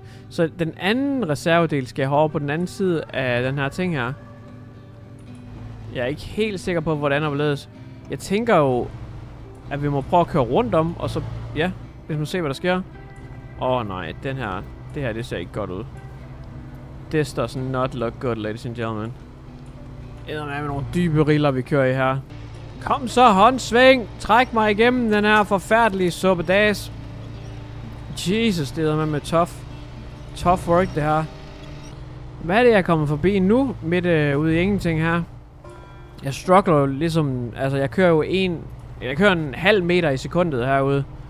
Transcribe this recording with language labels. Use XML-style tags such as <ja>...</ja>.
<da>Så den anden reservedel skal jeg have over på den anden side af den her ting her. Jeg er ikke helt sikker på, hvordan det ledes. Jeg tænker jo, at vi må prøve at køre rundt om, og så, ja, hvis man ser, hvad der sker. Nej, den her, det her, det ser ikke godt ud.</da> <en>This does not look good, ladies and gentlemen.</en> <da>Ender med nogle dybe riller, vi kører i her. Kom så, håndsving! Træk mig igennem den her forfærdelige suppedas. Jesus, det er med tough.</da> <en>Tough work,</en> <da>det her. Hvad er det, jeg kommer forbi nu, midt ude i ingenting her? Jeg struggler jo ligesom, altså jeg kører jo en halv meter i sekundet herude.</da>